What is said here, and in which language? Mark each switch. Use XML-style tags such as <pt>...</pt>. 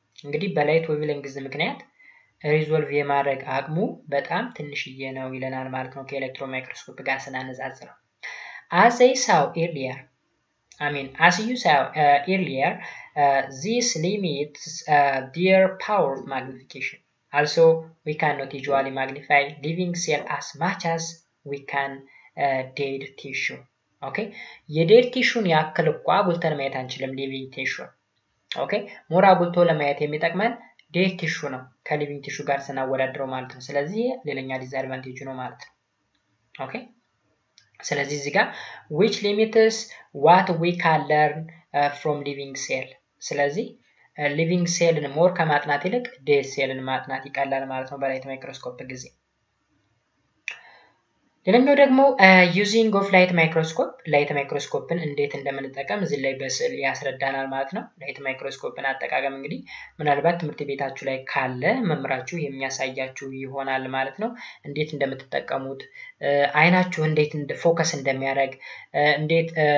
<am>እንግዲህ በላይት ዌቭሌንግዝ ምክንያት ሪዞልቭ የማድረግ አቅሙ በጣም ትንሽዬ ነው ይለናል ማለት ነው ከኤሌክትሮን ማይክሮስኮፕ ጋር ስናነጻጽረው።</am> <en>As I saw earlier, these limits their power of magnification. Also, we cannot usually magnify living cell as much as we can dead tissue. Okay?</en> <am>የዴድ ቲሹን ያክል እኮ አጉልተን ማየት አንችልም</am> <en>living tissue. Okay?</en> <am>ሞር አጉልቶ ለማየት የሚጠቅመን ዴድ ቲሹ ነው ከሊቪንግ ቲሹ ጋር ስናወዳድረው ማለት ነው። ስለዚህ ሌላኛ ዲስአድቫንቴጅ ነው ማለት ነው። Okay? ስለዚህ እዚህ ጋር</am> <en>which limits what we can learn from living cell.</en> <am>ስለዚህ living cellን ሞር ከማጥናት ይልቅ dead cellን ማጥናት ይቀላል ማለት ነው በላይት ማይክሮስኮፕ ጊዜ። ሌላኛው ደግሞ</am> <en>using of light microscope</en> <am>light microscopeን እንዴት እንደምንጠቀም እዚህ ላይ በስዕል ያስረዳናል ማለት ነው። light microscopeን አጠቃቀም እንግዲህ ምናልባት ትምህርት ቤታችሁ ላይ ካለ መምህራችሁ የሚያሳያችሁ ይሆናል ማለት ነው። እንዴት እንደምትጠቀሙት አይናችሁ እንዴት ፎከስ እንደሚያደርግ እንዴት</am>